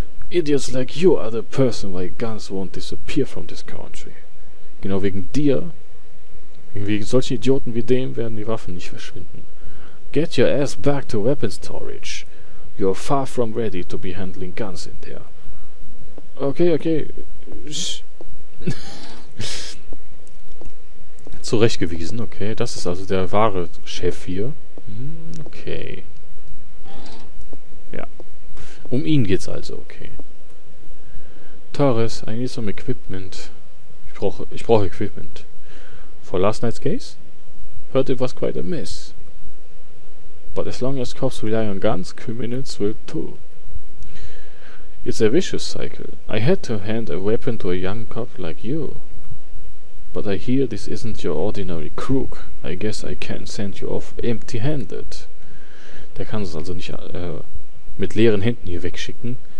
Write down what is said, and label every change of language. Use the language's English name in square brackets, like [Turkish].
[English] Idiots like you are the person why guns won't disappear from this country. [German] Genau wegen dir, wegen solchen Idioten wie dem, werden die Waffen nicht verschwinden. [English] Get your ass back to weapon storage. You're far from ready to be handling guns in there. Okay, okay. [German] Zurechtgewiesen, okay. Das ist also der wahre Chef hier. Okay. Ja. Um ihn geht's also, okay. [English] Torres, I need some equipment. [German] Ich brauche Equipment. [English] For last night's case? Heard it was quite a mess. But as long as cops rely on guns, criminals will too. It's a vicious cycle. I had to hand a weapon to a young cop like you. But I hear this isn't your ordinary crook. I guess I can send you off empty-handed. [German] Der kann es also nicht mit leeren Händen hier wegschicken.